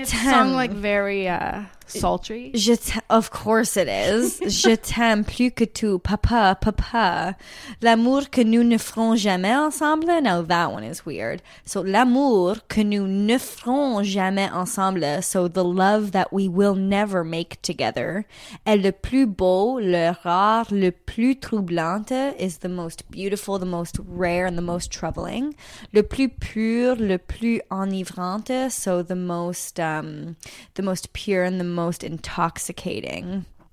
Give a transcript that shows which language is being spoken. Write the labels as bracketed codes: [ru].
[en] It's song like very sultry. Of course it is. [fr] Je t'aime plus que tout, papa. L'amour que nous ne ferons jamais ensemble. [en] Now that one is weird. So [fr] l'amour que nous ne ferons jamais ensemble. [en] So the love that we will never make together. [fr] Est le plus beau, le rare, le plus troublante [en] is the most beautiful, the most rare, and the most troubling. [fr] Le plus pur, le plus enivrante. [en] So the most pure and the most intoxicating.